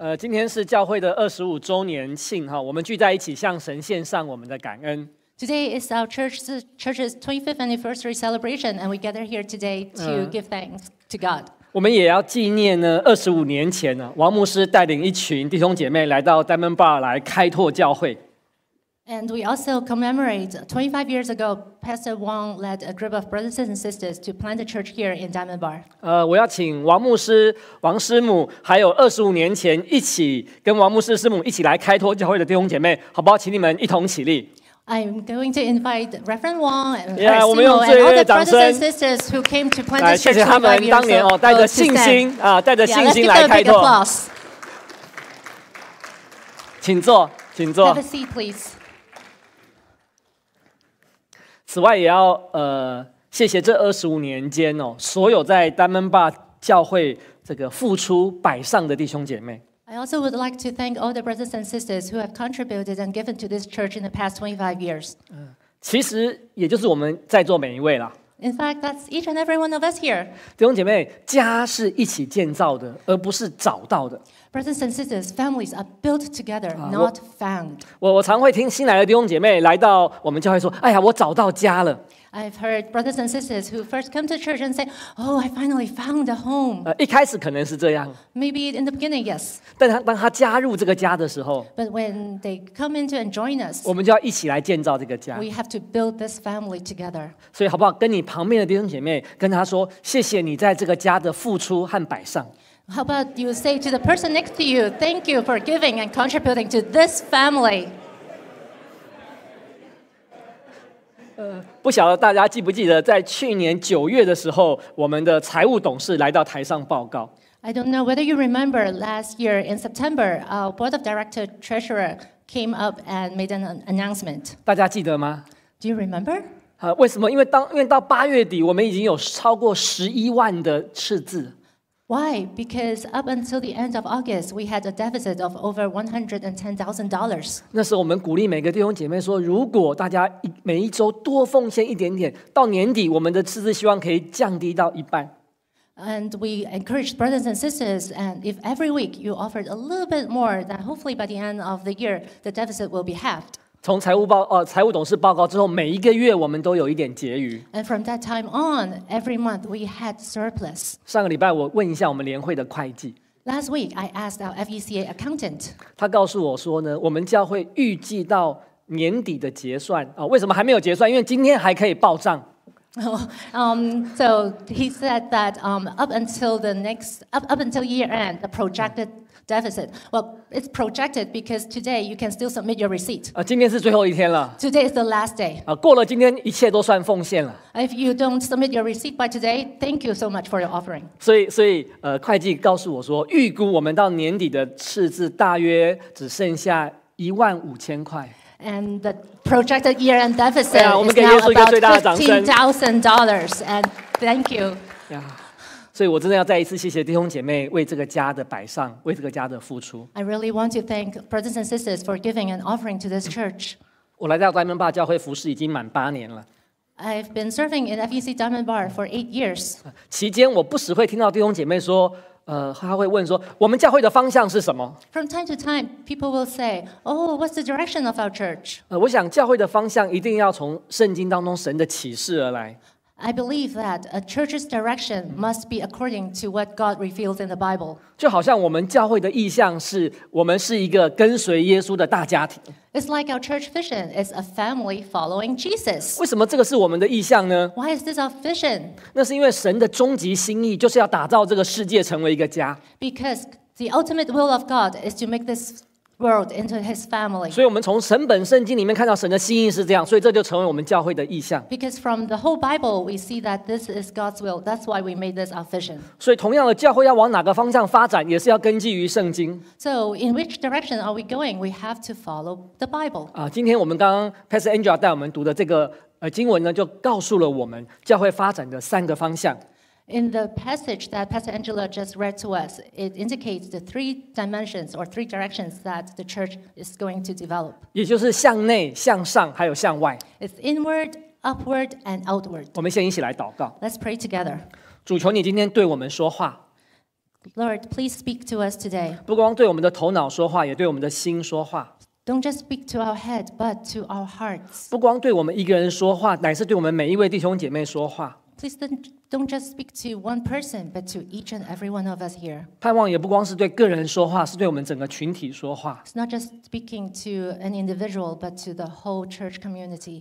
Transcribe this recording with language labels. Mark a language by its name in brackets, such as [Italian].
[Chinese] 今天是教会的25周年庆，我们聚在一起向神献上我们的感恩。 [English] Today is our church's 25th anniversary celebration, and we gather here today to give thanks to God. [Chinese] 我们也要纪念呢，25年前呢，王牧师带领一群弟兄姐妹来到 Diamond Bar 来开拓教会。 [English] And we also commemorate 25 years ago, Pastor Wang led a group of brothers and sisters to plant a church here in Diamond Bar. [Chinese] 我要请王牧师、王师母，还有25年前一起跟王牧师师母一起来开拓教会的弟兄姐妹，好不好？请你们一同起立。 [English] I'm going to invite Reverend Wang and Reverend Simo and all the brothers and sisters who came to plant this church 25 years ago. [Chinese] 哦，带着信心啊，带着信心来开拓。 [English] Yeah, let's give them a big applause. [Chinese] 请坐，请坐。 [English] Have a seat, please. [Chinese] 此外，也要谢谢这25年间哦，所有在Diamond Bar教会这个付出摆上的弟兄姐妹。 [English] I also would like to thank all the brothers and sisters who have contributed and given to this church in the past 25 years. [Chinese] 其实也就是我们在座每一位啦。 [English] In fact, that's each and every one of us here. [Chinese] 弟兄姐妹，家是一起建造的，而不是找到的。 [English] Brothers and sisters, families are built together, not found. [Chinese] 我常会听新来的弟兄姐妹来到我们教会说：“哎呀，我找到家了。” [English] I've heard brothers and sisters who first come to church and say, "Oh, I finally found a home." [Chinese] 一开始可能是这样。 [English] Maybe in the beginning, yes. [Chinese] 但当他加入这个家的时候 [English] ，But when they come into and join us, [Chinese] 我们就要一起来建造这个家。 [English] We have to build this family together. [Chinese] 所以好不好？跟你旁边的弟兄姐妹跟他说：“谢谢你在这个家的付出和摆上。” [English] How about you say to the person next to you, "Thank you for giving and contributing to this family." [Chinese] 不晓得大家记不记得，在去年九月的时候，我们的财务董事来到台上报告。 [English] I don't know whether you remember last year in September, our board of director treasurer came up and made an announcement. [Chinese] 大家记得吗 [English] ？Do you remember? [Chinese] 为什么？因为到八月底，我们已经有超过110,000的赤字。 [English] Why? Because up until the end of August, we had a deficit of over $110,000. [Chinese] 那时候我们鼓励每个弟兄姐妹说，如果大家每一周多奉献一点点，到年底我们的赤字希望可以降低到一半。 [English] And we encouraged brothers and sisters, and if every week you offered a little bit more, then hopefully by the end of the year, the deficit will be halved. [Chinese] 从财务董事报告之后，每一个月我们都有一点结余。 [English] And from that time on, every month we had surplus. [Chinese] 上个礼拜我问一下我们联会的会计。 [English] Last week, I asked our FECA accountant. [Chinese] 他告诉我说呢，我们教会预计到年底的结算啊，为什么还没有结算？因为今天还可以报账。 [English] So he said that up until year end, the projected deficit. Well, it's projected because today you can still submit your receipt. [Chinese] 今天是最后一天了。 [English] Today is the last day. [Chinese] 过了今天，一切都算奉献了。 [English] If you don't submit your receipt by today, thank you so much for your offering. [Chinese] 所以会计告诉我说，预估我们到年底的赤字大约只剩下15,000块。 [English] And the projected year-end deficit is now about $15,000. And thank you. Yeah. [Chinese] 所以我真的要再一次谢谢弟兄姐妹为这个家的摆上，为这个家的付出。 [English] I really want to thank brothers and sisters for giving an offering to this church. [Chinese] 我来到 Diamond Bar 教会服事已经满八年了。 [English] I've been serving in FEC Diamond Bar for 8 years. [Chinese] 期间我不时会听到弟兄姐妹说。他会问说，我们教会的方向是什么 [English] ？From time to time, people will say, "Oh, what's the direction of our church?" [Chinese] 我想教会的方向一定要从圣经当中神的启示而来。 [English] I believe that a church's direction must be according to what God reveals in the Bible. [Chinese] 就好像我们教会的意向是，我们是一个跟随耶稣的大家庭。 [English] It's like our church vision is a family following Jesus. [Chinese] 为什么这个是我们的意向呢 [English] ？Why is this our vision? [Chinese] 那是因为神的终极心意就是要打造这个世界成为一个家。 [English] Because the ultimate will of God is to make this world into His family. [Chinese] 所以我们从神本圣经里面看到神的心意是这样，所以这就成为我们教会的意向。 [English] Because from the whole Bible we see that this is God's will. That's why we made this our vision. [Chinese] 所以同样的，教会要往哪个方向发展，也是要根据于圣经。 [English] So in which direction are we going? We have to follow the Bible. [Chinese] 今天我们刚刚 Pastor Angela 带我们读的这个经文呢，就告诉了我们教会发展的三个方向。 [English] In the passage that Pastor Angela just read to us, it indicates the three dimensions or three directions that the church is going to develop. [Chinese] 也就是向内、向上，还有向外。 [English] It's inward, upward, and outward. [Chinese] 我们先一起来祷告。 [English] Let's pray together. [Chinese] 主，求你今天对我们说话。 [English] Lord, please speak to us today. [Chinese] 不光对我们的头脑说话，也对我们的心说话。 [English] Don't just speak to our head, but to our hearts. [Chinese] 不光对我们一个人说话，乃是对我们每一位弟兄姐妹说话。 [English] Please don't just speak to one person, but to each and every one of us here. [Chinese] 盼望也不光是对个人说话，是对我们整个群体说话。 [English] It's not just speaking to an individual, but to the whole church community.